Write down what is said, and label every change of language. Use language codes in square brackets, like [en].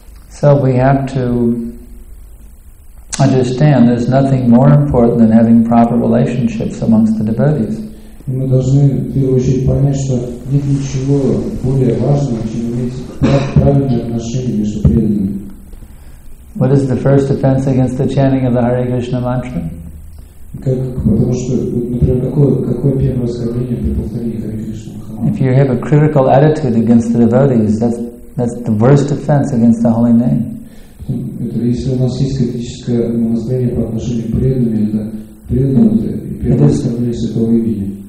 [en] So we have to understand there's nothing more important than having proper relationships amongst the devotees. [ru] И мы должны, в первую очередь, понять, что нет ничего более важного, чем иметь правильные отношения между преданными. [en] What is the first offense against the chanting of the Hare Krishna mantra? [ru] Какое первое оскорбление при повторении Hare Krishna mantra? [en] If you have a critical attitude against the devotees, that's the worst offense against the holy name. [ru] Если у нас есть критическое настроение по отношению к преданным, это преданное оскорбление святого имени.